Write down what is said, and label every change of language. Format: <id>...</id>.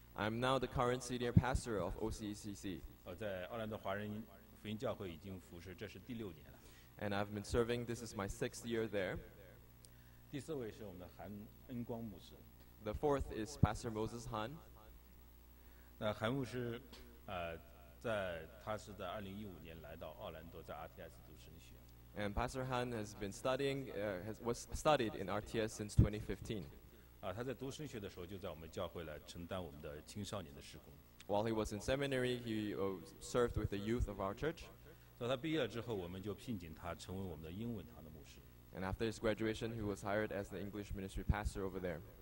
<en>I'm now the current senior pastor of OCECC.</en> <zh>在奥兰多华人福音教会已经服侍，这是第六年了。</zh> <en>And I've been serving. This is my sixth year there.</en> <zh>第四位是我们的韩恩光牧师。</zh> <en>The fourth is Pastor Moses Han.</en> <zh>那韩牧师，在他是在2015年来到奥兰多，在 RTS 读神学。</zh> <en>And Pastor Han has been studying, was studied in RTS since 2015.</en> <zh>他在读神学的时候，就在我们教会来承担我们的青少年的事工。</zh> <en>While he was in seminary, he served with the youth of our church.</en> <zh>所以他毕业之后，我们就聘请他成为我们的英文堂的牧师。</zh> <en>And after his graduation, he was hired as the English ministry pastor over there.</en>